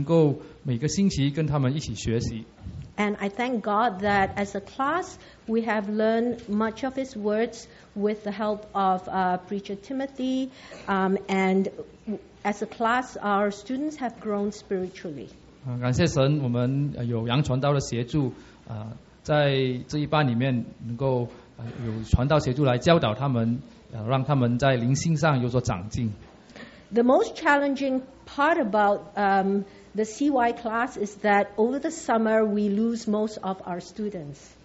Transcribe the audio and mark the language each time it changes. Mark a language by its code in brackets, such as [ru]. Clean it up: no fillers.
[zh] 真的是非常有幸能够每个星期跟他们一起学习。 [en] And I thank God that as a class, we have learned much of His words with the help of Preacher Timothy. And as a class, our students have grown spiritually. [zh] 感谢神，我们有杨传道的协助。在这一班里面能够有传道协助来教导他们，让他们在灵性上有所长进。 [en] The most challenging part about the CY class is that over the summer we lose most of our students.